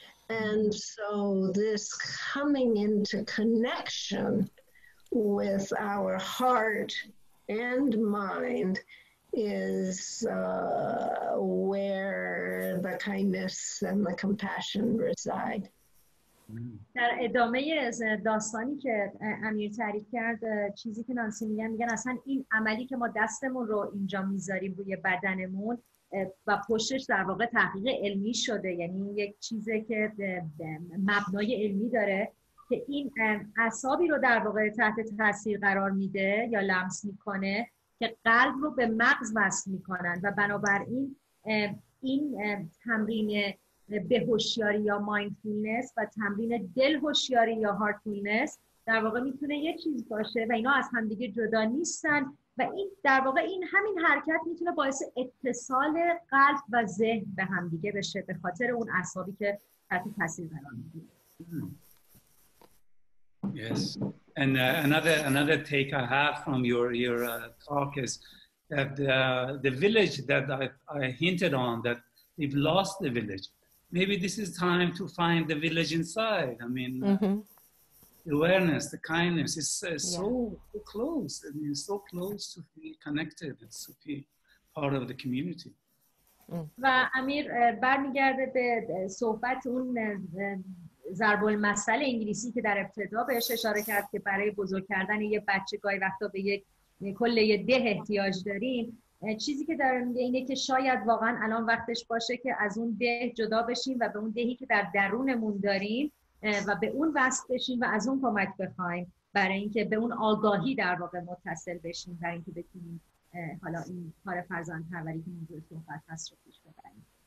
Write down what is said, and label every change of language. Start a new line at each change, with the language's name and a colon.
English: And so this coming into connection with our heart and mind is where the kindness and the compassion reside.
Persian: در ادامه داستانی که امیر تعریف کرد، چیزی که نانسی میگن، میگن اصلا این عملی که ما دستمون رو اینجا میذاریم روی بدنمون و پشتش در واقع تحقیق علمی شده، یعنی یک چیزی که مبنای علمی داره که این اعصابی رو در واقع تحت تاثیر قرار میده یا لمس میکنه که قلب رو به مغز وصل میکنن و بنابراین این تمرین به هوشیاری یا مایندفولنس و تمرین دل هوشیاری یا هارتفولنس در واقع میتونه یه چیز باشه و اینا از هم دیگه جدا نیستن و این در واقع این همین حرکت میتونه باعث اتصال قلب و ذهن به هم دیگه بشه به خاطر اون اعصابی که تحت تاثیر قرار میگیره.
English: Yes, and another take I have from your talk is that the village that I hinted on, that we've lost the village. Maybe this is time to find the village inside. I mean, awareness, the kindness is so close. I mean, so close to be connected, it's to be part of the community.
Persian: و امیر برمیگرده به صحبت اون ضرب المثل انگلیسی که در ابتدا بهش اشاره کرد که برای بزرگ کردن یه بچه گاهی وقتا به یک کل یه ده احتیاج داریم. چیزی که دارم میگه اینه که شاید واقعا الان وقتش باشه که از اون ده جدا بشیم و به اون دهی که در درونمون داریم و به اون وصل بشیم و از اون کمک بخوایم برای اینکه به اون آگاهی در واقع متصل بشیم برای اینکه بتونیم حالا این کار فرزند پروری که موضوع صحبت هست رو پیش ببریم.